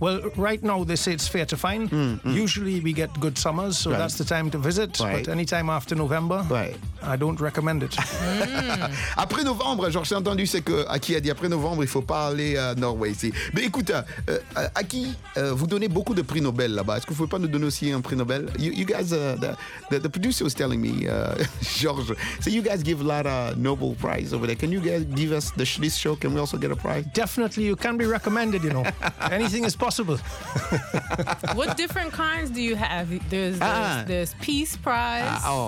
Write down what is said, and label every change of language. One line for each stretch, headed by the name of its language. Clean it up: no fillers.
English: Well, right now they say it's fair to fine. Usually we get good summers, so that's the time to visit. But anytime after November, I don't recommend.
French: Après novembre, genre j'ai entendu c'est que Aki a dit après novembre il faut pas aller à Norway. C'est... Mais écoute, Aki, vous donnez beaucoup de prix Nobel là-bas. Est-ce que vous pouvez pas nous donner aussi un prix Nobel?
English: The producer was telling me, George, so you guys give a lot of Nobel prize over there. Can you guys give us this show? Can we also get a prize? Definitely, you can be recommended. You know, anything is possible. What different kinds do you have? There's Peace Prize.